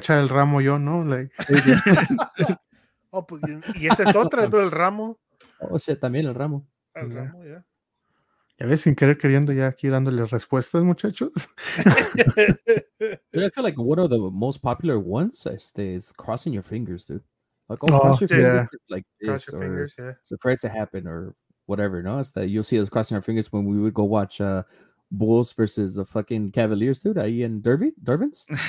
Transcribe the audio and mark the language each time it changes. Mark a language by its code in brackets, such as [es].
[en] I don't think I've ever been with a limpia. [es] Oh, pues, y esa es otra, todo el ramo. O sea, también el ramo. Ya. Ya ves, sin querer queriendo, ya aquí dándole respuestas, muchachos. [en] Dude, I feel like one of the most popular ones is crossing your fingers, dude. Like, oh, cross your fingers like this. Cross your fingers, it's afraid to happen or whatever, no? It's that you'll see us crossing our fingers when we would go watch Bulls versus the fucking Cavaliers, dude, [es] ahí en Durbin's.